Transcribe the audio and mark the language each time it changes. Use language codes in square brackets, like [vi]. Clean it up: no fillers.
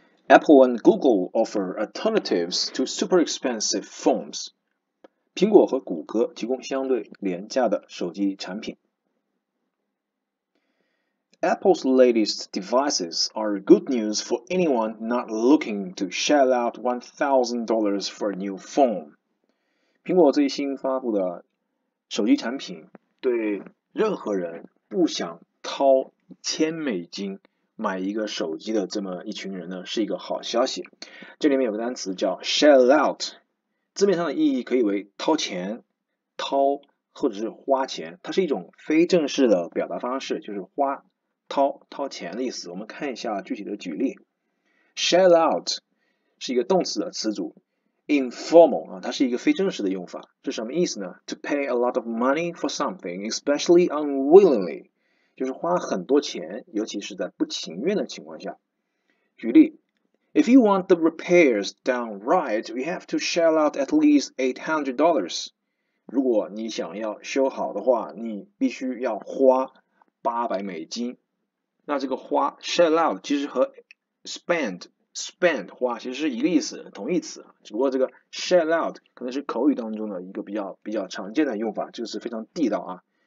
[en] Apple and Google offer alternatives to super expensive phones. [zh] 苹果和谷歌提供相对廉价的手机产品。 [en] Apple's latest devices are good news for anyone not looking to shell out $1,000 for a new phone. [zh] 苹果最新发布的手机产品对任何人不想掏$1,000买一个手机的这么一群人呢，是一个好消息。这里面有个单词叫 shell out， 字面上的意义可以为掏钱、掏或者是花钱，它是一种非正式的表达方式，就是花、掏、掏钱的意思。我们看一下具体的举例 ，shell out 是一个动词的词组 ，informal 啊，它是一个非正式的用法，是什么意思呢 ？ [en] To pay a lot of money for something, especially unwillingly。 [zh] 就是花很多钱，尤其是在不情愿的情况下。 [en] 举例 ，If you want the repairs done right, we have to shell out at least $800. [zh] 如果你想要修好的话，你必须要花$800。那这个花 shell out 其实和 spend 花其实是一个意思，同义词。只不过这个 shell out 可能是口语当中的一个比较常见的用法，这个是非常地道啊。